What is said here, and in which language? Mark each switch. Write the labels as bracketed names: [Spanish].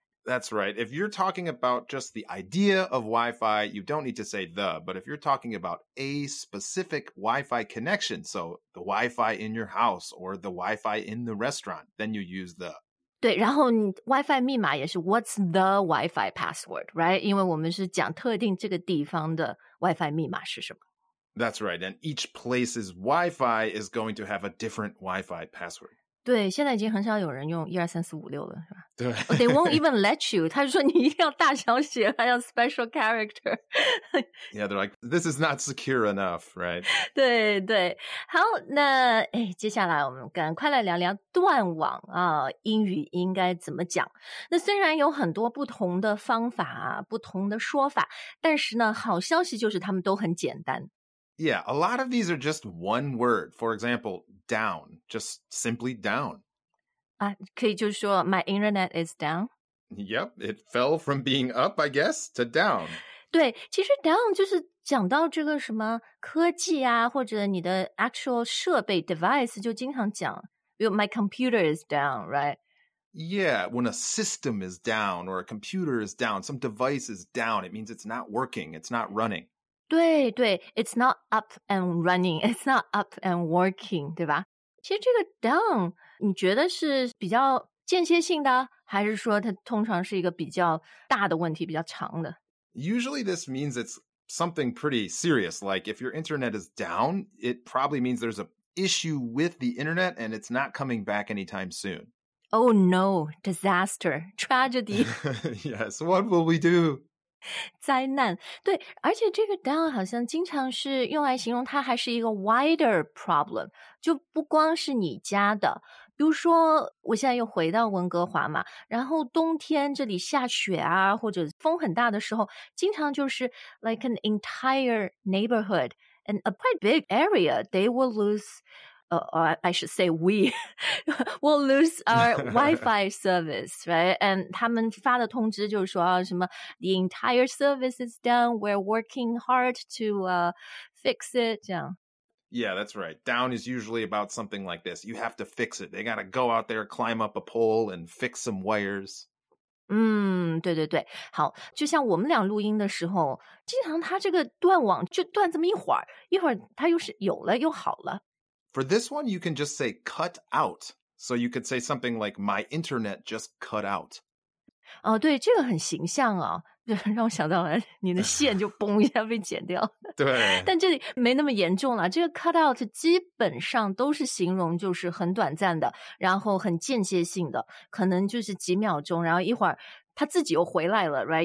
[English] That's right. If you're talking about just the idea of Wi-Fi, you don't need to say the, but if you're talking about a specific Wi-Fi connection, so the Wi-Fi in your house or the Wi-Fi in the restaurant, then you use the. [Chinese] 对，然后 Wi-Fi 密码也是 [English] What's the Wi-Fi password, right? [Chinese] 因为我们是讲特定这个地方的 Wi-Fi 密码是什么。 [English] That's right, and each place's Wi-Fi is going to have a different Wi-Fi password. [Chinese] 对，现在已经很少有人用1、2、3、4、5、6了，是吧？对。 [English] They won't even let you. [Chinese] 他就说你一定要大小写，还要 [English] special character. Yeah, they're like, this is not secure enough, right? [Chinese] 对对。好，那接下来我们赶快来聊聊断网啊，英语应该怎么讲。那虽然有很多不同的方法，不同的说法，但是呢，好消息就是他们都很简单。 [English] Yeah, a lot of these are just one word. For example, down, just simply down. [Chinese] 可以就是说 [English] my internet is down? Yep, it fell from being up, I guess, to down. [Chinese] 对，其实 down 就是讲到这个什么科技啊，或者你的 actual 设备 device 就经常讲 [English] my computer is down, right? Yeah, when a system is down or a computer is down, some device is down, it means it's not working, it's not running. 对对 it's not up and running, it's not up and working, 对吧？ [Chinese] 其实这个 down, 你觉得是比较间歇性的，还是说它通常是一个比较大的问题，比较长的？ [English] Usually this means it's something pretty serious, like if your internet is down, it probably means there's an issue with the internet and it's not coming back anytime soon. Oh no, disaster, tragedy. Yes, what will we do? [Chinese] 灾难，对，而且这个 down 好像经常是用来形容它还是一个 [English] wider problem, [Chinese] 就不光是你家的。比如说我现在又回到温哥华嘛，然后冬天这里下雪啊，或者风很大的时候，经常就是 [English] like an entire neighborhood and a quite big area, they will lose... I should say we will lose our Wi-Fi service, right? And [Chinese] 他们发的通知就是说、什么 [English] the entire service is down, we're working hard to fix it, 这样。 Yeah, that's right. Down is usually about something like this. You have to fix it. They gotta go out there, climb up a pole and fix some wires. [Chinese] 对对对，好，就像我们俩录音的时候，经常他这个断网就断这么一会儿他又是有了又好了。 [English] For this one, you can just say cut out. So you could say something like, my internet just cut out. [Chinese] 哦，对，这个很形象啊，让我想到了你的线就嘣一下被剪掉。对。但这里没那么严重了，这个 cut out 基本上都是形容就是很短暂的，然后很间歇性的，可能就是几秒钟，然后一会儿它自己又回来了， right?